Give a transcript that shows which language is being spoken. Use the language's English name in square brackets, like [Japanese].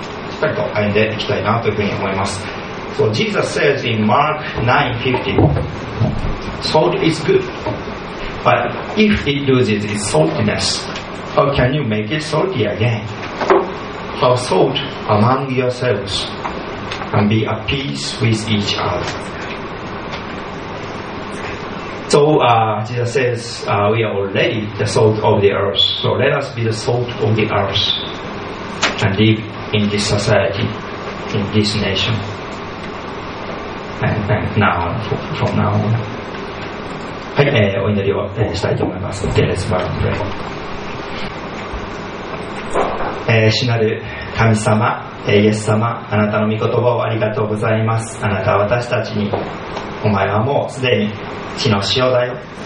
[Japanese] しっかりと歩んでいきたいなというふうに思います。 [English] So Jesus says in Mark 9:50, salt is good, but if it loses its saltiness, how can you make it salty again? Have salt among yourselves and be at peace with each other. So Jesus says, we are already the salt of the earth. So let us be the salt of the earth and live in this society, in this nation. And now, from now on. [Japanese] はい、お祈りを、したいと思います。で、 [English] レッツバーンプレイ。 [Japanese] 主なる神様、イエス様、あなたの御言葉をありがとうございます。あなたは私たちに、お前はもうすでに地の塩だよ。